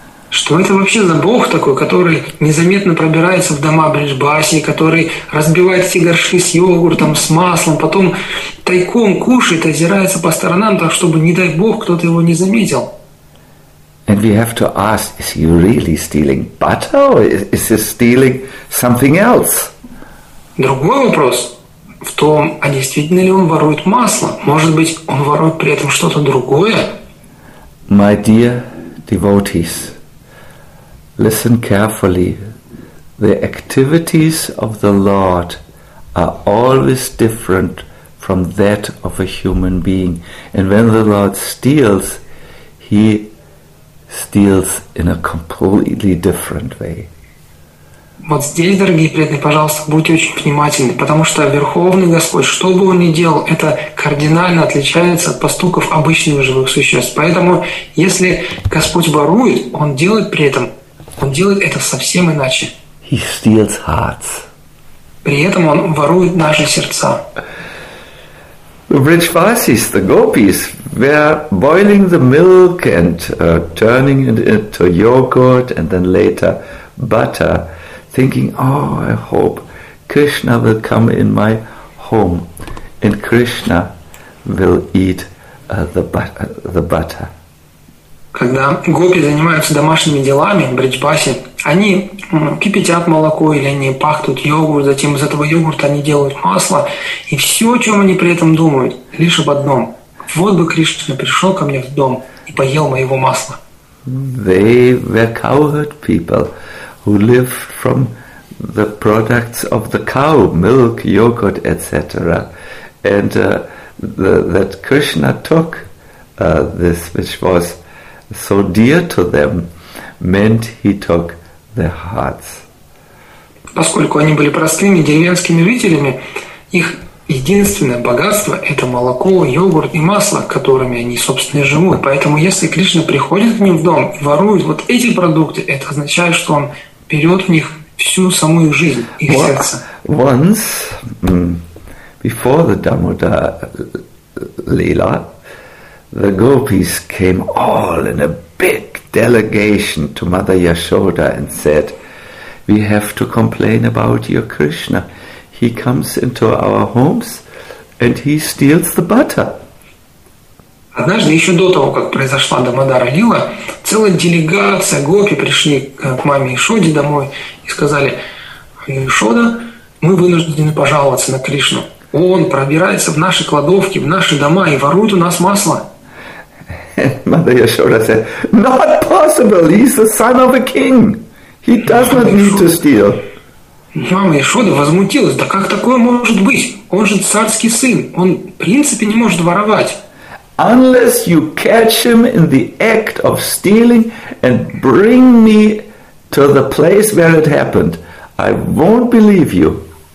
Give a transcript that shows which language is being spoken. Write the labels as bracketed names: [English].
[Russian] Что это вообще за бог такой, который незаметно пробирается в дома Брижбаси, который разбивает все горшки с йогуртом, с маслом, потом тайком кушает, озирается по сторонам, так чтобы, не дай бог, кто-то его не заметил? [English] And we have to ask, is he really stealing butter, or is he stealing something else? [Russian] Другой вопрос в том, а действительно ли он ворует масло? Может быть, он ворует при этом что-то другое? [English] My dear devotees, listen carefully. The activities of the Lord are always different from that of a human being. And when the Lord steals, he steals in a completely different way. [Russian] Вот здесь, дорогие преданные, пожалуйста, будьте очень внимательны, потому что Верховный Господь, что бы Он ни делал, это кардинально отличается от поступков обычных живых существ. Поэтому, если Господь ворует, Он делает при этом, Он делает это совсем иначе. [English] He steals hearts. [Russian] При этом Он ворует наши сердца. [English] The Vrijvasis, the gopis, were boiling the milk and turning it into yogurt and then later butter, thinking, oh, I hope Krishna will come in my home and Krishna will eat the butter. [Russian] Когда гопи занимаются домашними делами, бриджбаси, они кипятят молоко или они пахтут йогурт, затем из этого йогурта они делают масло. И все, о чем они при этом думают, лишь об одном. Вот бы Кришна пришел ко мне в дом и поел моего масла. [English] They were cowherd people who lived from the products of the cow, milk, yogurt, etc. And that Krishna took this, which was so dear to them, meant he took their hearts. [Russian] Поскольку они были простыми деревенскими жителями, их единственное богатство – это молоко, йогурт и масло, которыми они, собственно, и живут. Поэтому если Кришна приходит к ним в дом и ворует вот эти продукты, это означает, что он берет у них всю саму их жизнь, их сердце. [English] Once, before the Damodar Leela, the gopis came all in a big delegation to Mother Yashoda and said, we have to complain about your Krishna. He comes into our homes and he steals the butter. [Russian] Однажды, еще до того, как произошла Дамодара Лила, целая делегация гопи пришли к маме Яшоде домой и сказали, Яшода, мы вынуждены пожаловаться на Кришну. Он пробирается в наши кладовки, в наши дома и ворует у нас масло. [English] Mother Yashoda said, not possible, he's the son of a king. He does not need to steal. [Russian] Мама Яшода возмутилась, да как такое может быть? Он же царский сын, он в принципе не может воровать. [English] Unless you catch him in the act of stealing and bring me to the place where it happened, I won't believe you.